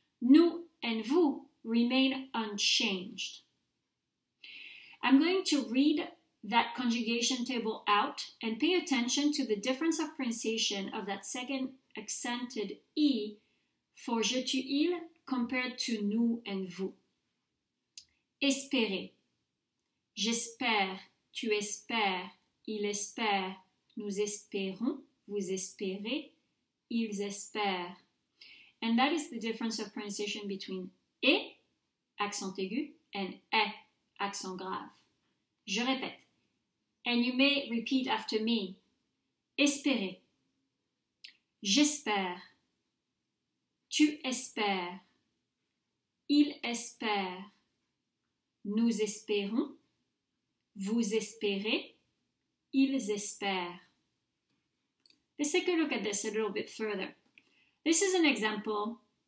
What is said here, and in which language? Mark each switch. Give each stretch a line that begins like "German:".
English: Nous and vous remain unchanged. I'm going to read that conjugation table out and pay attention to the difference of pronunciation of that second accented E for je, tu, il compared to nous and vous.
French: Espérer. J'espère, tu espères, il espère, nous espérons, vous espérez, ils espèrent.
English: And that is the difference of pronunciation between E, accent aigu, and E, accent grave.
French: Je répète,
English: and you may repeat after me.
French: Espérer, j'espère, tu espères, il espère, nous espérons, vous espérez, ils espèrent.
English: Let's take a look at this a little bit further. This is an example.